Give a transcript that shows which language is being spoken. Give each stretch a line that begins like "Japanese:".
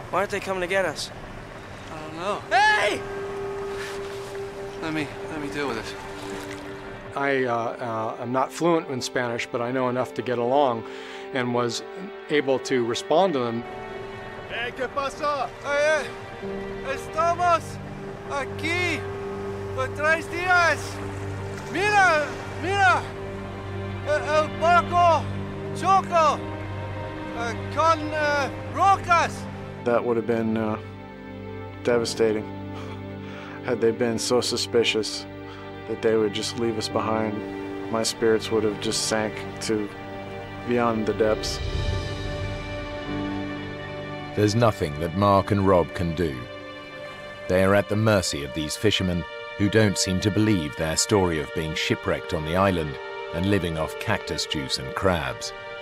English: Why aren't they coming to get us? I don't know. Hey! Let me deal with it. I'm not fluent in Spanish, but I know enough to get along. And was able to respond to them.
Spanish: Hey, ¿qué pasó? Estamos aquí por tres días. Mira, mira, el barco choca con rocas.
English: That would have been devastating had they been so suspicious that they would just leave us behind. My spirits would have just sank to beyond the depths. There's nothing that Mark and Rob can do. They are at the mercy of these fishermen who don't seem to believe their story of being shipwrecked on the island and living off cactus juice and crabs.